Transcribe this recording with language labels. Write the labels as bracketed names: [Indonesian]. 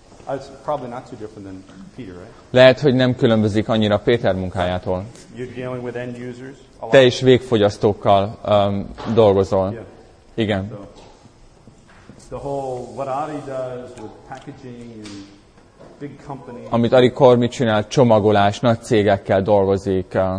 [English] It's probably not too different than Peter, right? [Hungarian] Lehet, hogy nem különbözik annyira Péter munkájától. [English] You're dealing with end users a lot. [Hungarian] Te is végfogyasztókkal dolgozol. [English] Yeah. [Hungarian] Igen. [English] So, the whole what Adi does with packaging and big companies. [Hungarian] Amit Adi Kormi csinál, csomagolás, nagy cégekkel dolgozik.